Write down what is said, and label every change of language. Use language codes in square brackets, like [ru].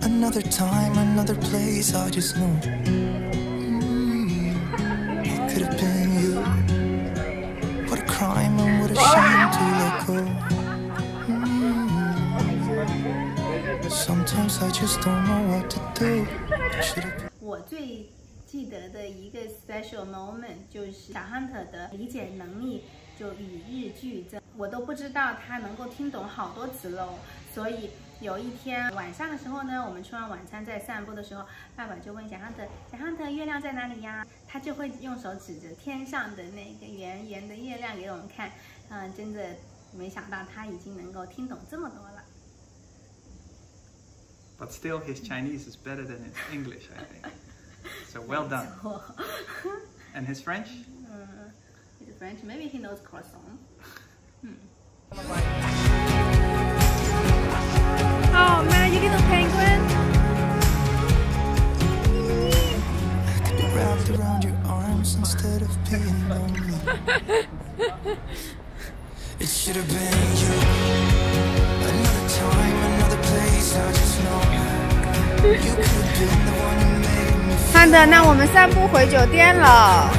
[en] Another time, another place, I just know It could have been you. What a crime and what a shame to let go. Sometimes I just don't know what to do. [zh] 我最记得的一个 [en] special moment [zh] 就是小 Hunter 的理解能力就与日俱增，我都不知道他能够听懂好多词喽。所以有一天晚上的时候呢，我们吃完晚餐在散步的时候，爸爸就问小 Hunter： 小 Hunter， 月亮在哪里呀？他就会用手指着天上的那个圆圆的月亮给我们看。真的没想到他已经能够听懂这么多了。 [en] But still, his Chinese is better than his English, I think. So well done. And his French? His French, maybe he knows croissant. Oh man, you little penguin! I could be wrapped around your arms instead of being lonely. It should have been you. Another time, another place, I just know. [zh] 看的，那我们散步回酒店了。